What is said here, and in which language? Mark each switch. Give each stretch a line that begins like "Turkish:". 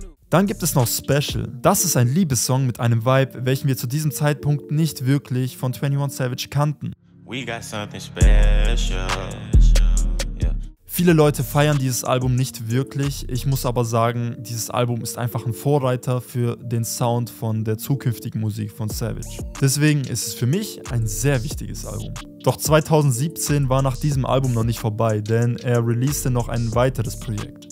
German: Dann gibt es noch Special. Das ist ein Liebessong mit einem Vibe, welchen wir zu diesem Zeitpunkt nicht wirklich von 21 Savage kannten.
English: We got something special. Yeah.
German: Viele Leute feiern dieses Album nicht wirklich. Ich muss aber sagen, dieses Album ist einfach ein Vorreiter für den Sound von der zukünftigen Musik von Savage. Deswegen ist es für mich ein sehr wichtiges Album. Doch 2017 war nach diesem Album noch nicht vorbei, denn er releasete noch ein weiteres Projekt.